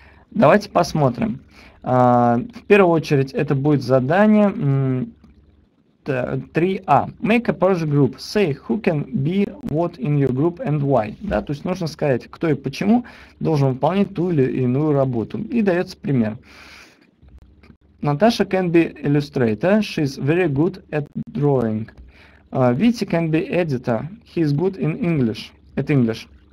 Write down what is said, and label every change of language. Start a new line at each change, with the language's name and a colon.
Russian: Давайте посмотрим. В первую очередь это будет задание 3А.
English: Make a project group. Say who can be what in your group and why.
Russian: Да, то есть нужно сказать, кто и почему должен выполнить ту или иную работу. И дается пример.
English: Natasha can be illustrator. She's very good at drawing. Vitya can be editor. He's good in English. At English.